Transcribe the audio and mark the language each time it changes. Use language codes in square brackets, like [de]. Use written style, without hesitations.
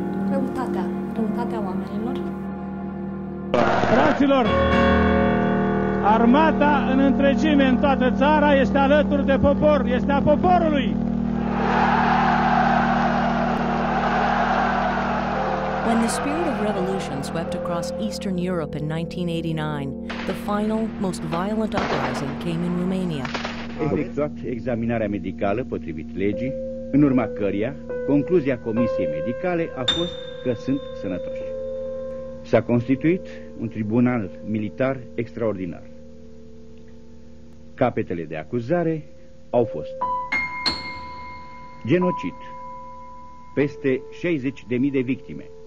[ro] Răutatea oamenilor. Fraților, armata în întregime, în toată țara, este alături de popor, este a poporului. [en] When the spirit of revolution swept across Eastern Europe in 1989, the final, most violent uprising came in Romania. [ro] Efectuat examinarea medicală potrivit legii, în urma căreia, concluzia comisiei medicale a fost că sunt sănătoși. S-a constituit un tribunal militar extraordinar. Capetele de acuzare au fost genocid, peste 60.000 de victime.